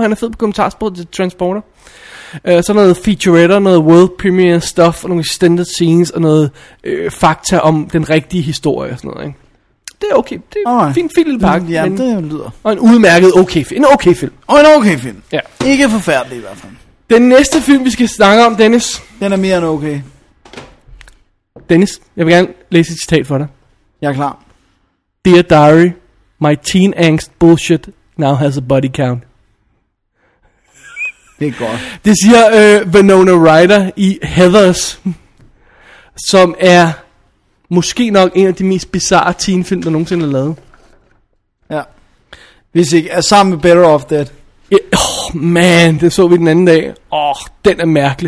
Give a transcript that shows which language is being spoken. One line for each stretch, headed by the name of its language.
Danish: Han er fed på kommentarspor til Transporter. Så noget featuretter, noget world premiere stuff, og nogle extended scenes, og noget fakta om den rigtige historie og sådan noget, ikke? Det er okay. Det er en fin lille pakke. Ja, men det lyder. Og en udmærket okay film. Ja. Ikke forfærdelig i hvert fald. Den næste film, vi skal snakke om, Dennis. Den er mere end okay. Dennis, jeg vil gerne læse et citat for dig. Jeg er klar.
English: Dear Diary, my teen angst bullshit now has a body count.
Danish: Det er godt. Det siger Winona Ryder i Heathers, som er måske nok en af de mest bizarre teenfilm, der nogensinde er lavet. Ja. Hvis ikke, er sammen med Better Off Dead. Åh, ja,
English: oh man,
Danish: det så vi den anden dag. Åh, oh, den er mærkelig.